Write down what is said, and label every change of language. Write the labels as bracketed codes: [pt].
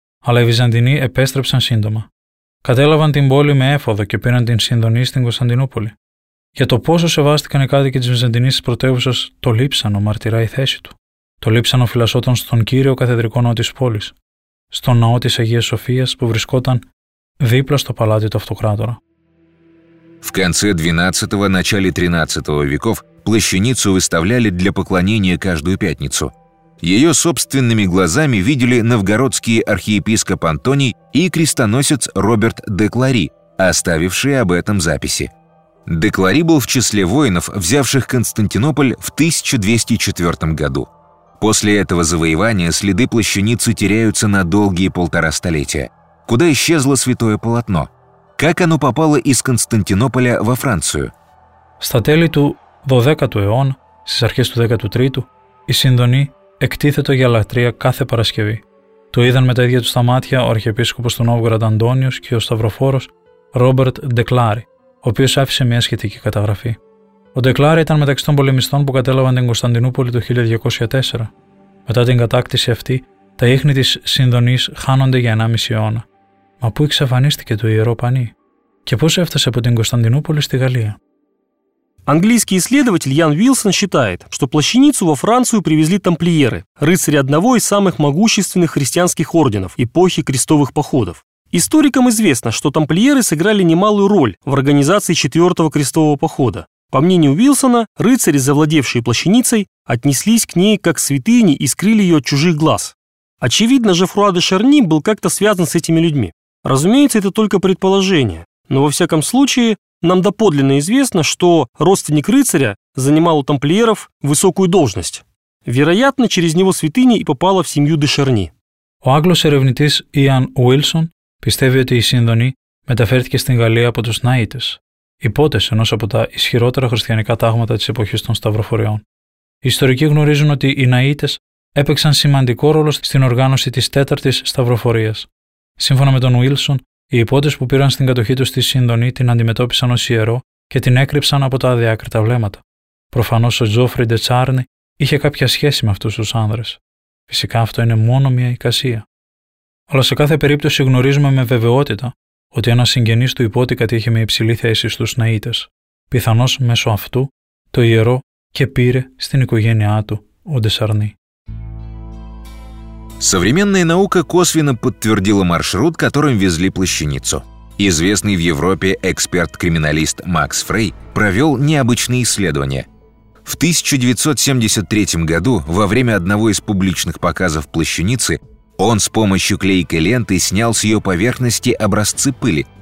[el] Αλλά οι Βυζαντινοί επέστρεψαν σύντομα. Κατέλαβαν την πόλη με έφοδο και πήραν την Σύνδονή στην Κωνσταντινούπολη. Για το πόσο σεβάστηκαν οι κάτοικοι της Βυζαντινής πρωτεύουσας, το λείψανο μαρτυρά η θέση του. Το λείψανο φυλασσόταν στον κύριο καθεδρικό ναό της πόλης, στον ναό της Αγίας Σοφίας που βρισκόταν δίπλα στο παλάτι του Αυτοκράτορα. [ru] В конце 12-го, начале 13-го веков плащаницу выставляли для поклонения каждую пятницу. Ее собственными глазами видели новгородский архиепископ Антоний и крестоносец Роберт де Клари, оставившие об этом записи. Де Клари был в числе воинов, взявших Константинополь в 1204 году. После этого завоевания следы плащаницы теряются на долгие полтора столетия. Куда исчезло святое полотно? Как оно попало из Константинополя во Францию? [el] Στα τέλη του 12ου αιώνα, στις αρχές του 13ου, η Σύνδονή εκτίθεται για λατρεία κάθε Παρασκευή. Το είδαν με τα ίδια τους τα μάτια ο αρχιεπίσκοπος του Νόβγοραντ Αντώνιος και ο σταυροφόρος Ρόμπερτ Ντε Κλάρι, ο οποίος άφησε μια σχετική καταγραφή. Ο Ντε Κλάρι ήταν μεταξύ των πολεμιστών που κατέλαβαν την Κωνσταντινούπολη το 1204. Μετά την κατάκτηση αυτή, τα ίχνη της Σύνδονής χάνονται για 1,5 αιώνα. Μα πού εξαφανίστηκε το Ιερό Πανί και πώς έφτασε από την Κωνσταντινούπολη στη Γαλλία? [ru] Английский исследователь Ян Вилсон считает, что плащаницу во Францию привезли тамплиеры, рыцари одного из самых могущественных христианских орденов эпохи крестовых походов. Историкам известно, что тамплиеры сыграли немалую роль в организации 4-го крестового похода. По мнению Вилсона, рыцари, завладевшие плащаницей, отнеслись к ней как к святыне и скрыли ее от чужих глаз. Очевидно, Жефруа де Шарни был как-то связан с этими людьми. Разумеется, это только предположение, но во всяком случае, нам доподлинно известно, что родственник рыцаря занимал у тамплиеров высокую должность. Вероятно, через него святыня и попала в семью де Шарни. [el] Ο Άγγλος ερευνητής Ιαν Ουίλσον πιστεύει ότι η Σύνδονή μεταφέρθηκε στην Γαλλία από τους Ναΐτες, υπότες ενός από τα ισχυρότερα χριστιανικά τάγματα της εποχής των Σταυροφοριών. Οι ιστορικοί γνωρίζουν ότι οι Ναΐτες έπαιξαν σημαντικό ρόλο στην οργάνωση της τέταρτης Σταυροφορίας. Σύμφωνα με τον Ουίλσον, οι υπότες που πήραν στην κατοχή τους τη Σύνδονή την αντιμετώπισαν ως ιερό και την έκρυψαν από τα αδιάκριτα βλέμματα. Προφανώς ο Τζόφρι Ντε Τσάρνι είχε κάποια σχέση με αυτούς τους άνδρες. Φυσικά αυτό είναι μόνο μια εικασία. Αλλά σε κάθε περίπτωση γνωρίζουμε με βεβαιότητα ότι ένας συγγενής του υπότη κατήχε με υψηλή θέση στους Ναΐτες. Πιθανώς μέσω αυτού το ιερό και πήρε στην οικογένειά του ο Ντε Τσάρνι. [ru] Современная наука косвенно подтвердила маршрут, которым везли плащаницу. Известный в Европе эксперт-криминалист Макс Фрей провел необычные исследования. В 1973 году, во время одного из публичных показов плащаницы, он с помощью клейкой ленты снял с ее поверхности образцы пыли.